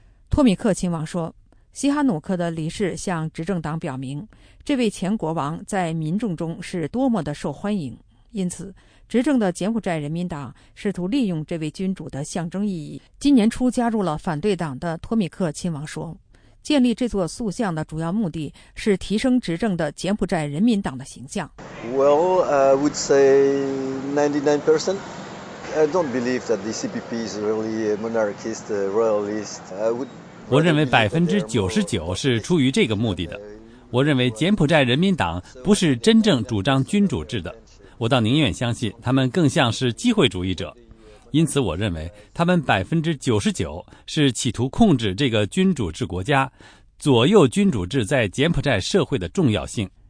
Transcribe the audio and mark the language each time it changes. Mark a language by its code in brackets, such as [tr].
[zh] 托米克亲王说，西哈努克的离世向执政党表明，这位前国王在民众中是多么的受欢迎，因此执政的柬埔寨人民党试图利用这位君主的象征意义。今年初加入了反对党的托米克亲王说，建立这座塑像的主要目的是提升执政的柬埔寨人民党的形象。 [en] Well, I would say 99%. I don't believe that the CPP is really a monarchist, a royalist. [zh] 我认为 99% 是出于这个目的的。我认为柬埔寨人民党不是真正主张君主制的，我倒宁愿相信他们更像是机会主义者，因此我认为他们 99% 是企图控制这个君主制国家，左右君主制在柬埔寨社会的重要性。